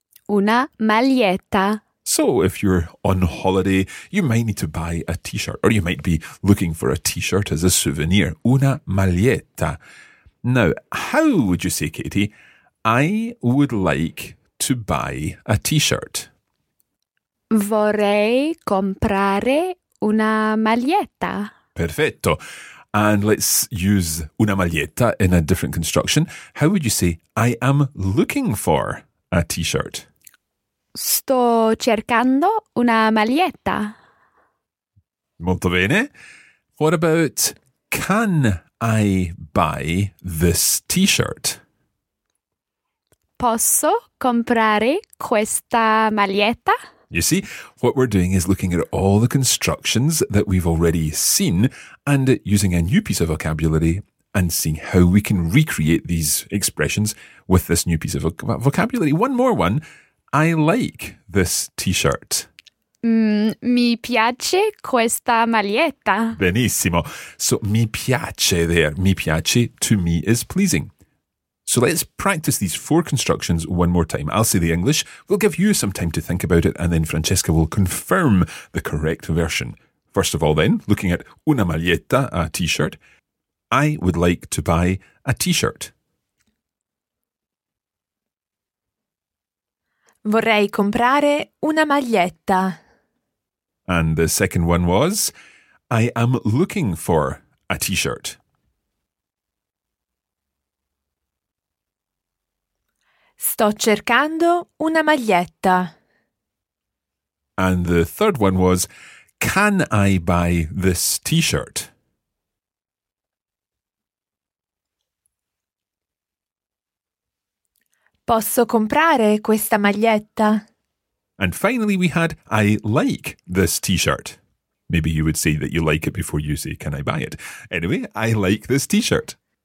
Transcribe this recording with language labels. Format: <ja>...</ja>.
<it>Una maglietta.</it> <en>So if you're on holiday, you might need to buy a t-shirt, or you might be looking for a t-shirt as a souvenir.</en> <it>Una maglietta.</it> <en>Now, how would you say, Katie, I would like to buy a t-shirt?</en> <it>Vorrei comprare una maglietta. Perfetto.</it> <en>And let's use una maglietta in a different construction. How would you say, I am looking for a t-shirt?</en> <it>Sto cercando una maglietta. Molto bene.</it> <en>What about, can I buy this t-shirt?</en> <it>Posso comprare questa maglietta?</it> <en>You see, what we're doing is looking at all the constructions that we've already seen and using a new piece of vocabulary and seeing how we can recreate these expressions with this new piece of vocabulary. One more one. I like this t-shirt.</en> <it>Mi piace questa maglietta. Benissimo.</it> <en>So mi piace there. Mi piace, to me, is pleasing. So let's practice these four constructions one more time. I'll say the English. We'll give you some time to think about it, and then Francesca will confirm the correct version. First of all then, looking at una maglietta, a t-shirt. I would like to buy a t-shirt.</en> <it>Vorrei comprare una maglietta.</it> <en>And the second one was, I am looking for a t-shirt.</en> <it>Sto cercando una maglietta.</it> <en>And the third one was, can I buy this t-shirt?</en> <it>Posso comprare questa maglietta?</it> <en>And finally we had, I like this t-shirt. Maybe you would say that you like it before you say, can I buy it? Anyway, I like this t-shirt.</en>